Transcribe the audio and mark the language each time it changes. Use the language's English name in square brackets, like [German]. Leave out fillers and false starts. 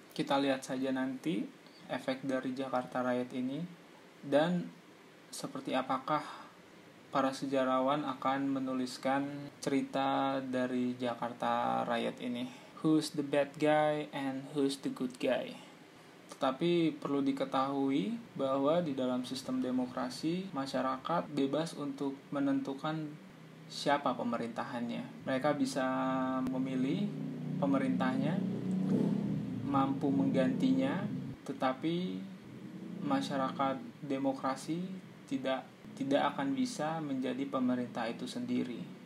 [Indonesian] Kita lihat saja nanti efek dari Jakarta Riot ini dan seperti apakah para sejarawan akan menuliskan cerita dari Jakarta Riot ini. [English] Who's the bad guy and who's the good guy? [Indonesian] Tetapi perlu diketahui bahwa di dalam sistem demokrasi, masyarakat bebas untuk menentukan siapa pemerintahannya. Mereka bisa memilih pemerintahnya, mampu menggantinya, tetapi masyarakat demokrasi tidak akan bisa menjadi pemerintah itu sendiri.